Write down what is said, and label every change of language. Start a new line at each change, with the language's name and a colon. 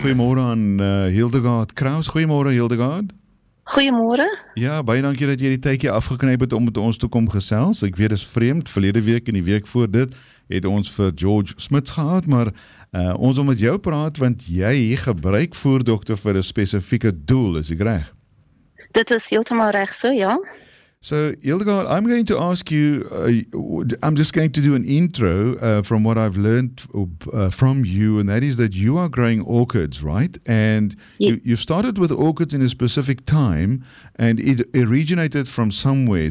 Afrikaans: Goeiemôre aan Hildegard Kraus. Goeiemôre Hildegard. Goeiemôre. Ja, baie dankie dat jy die tydjie afgeknyp het om met ons toe kom gesels. Ek weet dit is vreemd, verlede week en die week voor dit het ons vir George Smits gehad, maar ons wil met jou praat want jy gebruik voerdokter vir 'n spesifieke doel, is ek reg? Dit is heeltemal reg so, ja.
English: So, Hildegard, I'm going to ask you, I'm just going to do an intro from what I've learned from you, and that is that you are growing orchids, right? And yep. you started with orchids in a specific time, and it originated from somewhere.